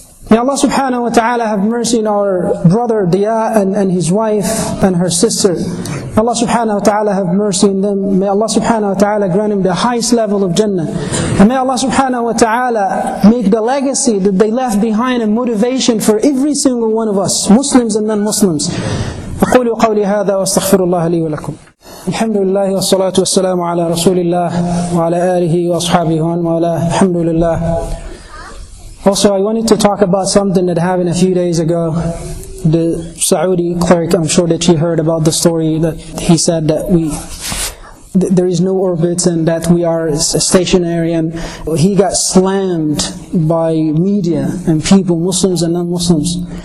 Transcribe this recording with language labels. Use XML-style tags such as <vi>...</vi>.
<en>May Allah subhanahu wa ta'ala have mercy on our brother Deah and his wife and her sister. May Allah subhanahu wa ta'ala have mercy on them. May Allah subhanahu wa ta'ala grant him the highest level of Jannah. And may Allah subhanahu wa ta'ala make the legacy that they left behind a motivation for every single one of us, Muslims and non-Muslims.</en> <ar>أقول قولي هذا وأستغفر الله لي ولكم. الحمد لله والصلاة والسلام على رسول الله وعلى آله وأصحابه ومن والاه. الحمد لله.</ar> <en>Also, I wanted to talk about something that happened a few days ago. The Saudi cleric, I'm sure that you heard about the story that he said that there is no orbits and that we are stationary, and he got slammed by media and people, Muslims and non-Muslims.</en>